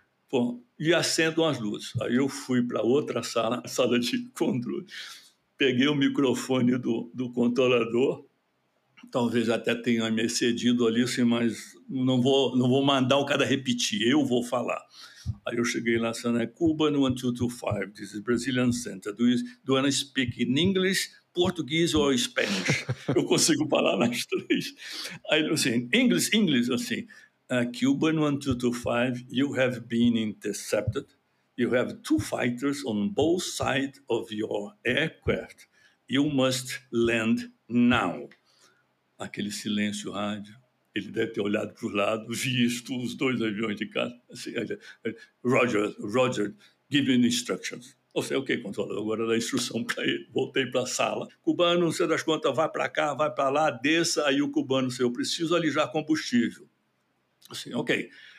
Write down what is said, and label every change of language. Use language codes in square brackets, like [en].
[pt] Bom, e acendam as luzes. Aí eu fui para outra sala, a sala de controle, peguei o microfone do controlador, talvez até tenha me excedido ali, assim, mas não vou mandar o cara repetir, eu vou falar. Aí eu cheguei lá, né? [en] Cuba, 1225, this is Brazilian Center. Do you speak in English, Portuguese or Spanish? [pt] Eu consigo falar nas três. Aí eu assim, English, assim. [en] Cuba, 1225, you have been intercepted. You have two fighters on both sides of your aircraft. You must land now. [pt] Aquele silêncio rádio. Ele deve ter olhado para o lado, visto os dois aviões de casa. Assim, [en] Roger, give me instructions. [pt] Ou seja, ok, controlador, agora dá instrução para ele. Voltei para a sala. Cubano, não sei das contas, vai para cá, vai para lá, desça. Aí o cubano, assim, eu preciso alijar combustível. Assim, ok.